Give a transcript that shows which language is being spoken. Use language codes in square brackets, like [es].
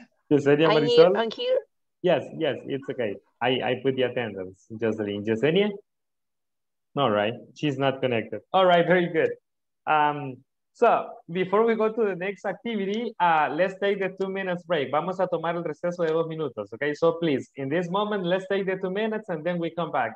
[en] Yesenia Marisol. I'm here. Yes, yes, it's okay. I put the attendance. Jocelyn. Yesenia. All right. She's not connected. All right. Very good. So before we go to the next activity, let's take the 2 minutes break. [es] Vamos a tomar el receso de 2 minutos, okay? [en] So please, in this moment, let's take the 2 minutes and then we come back.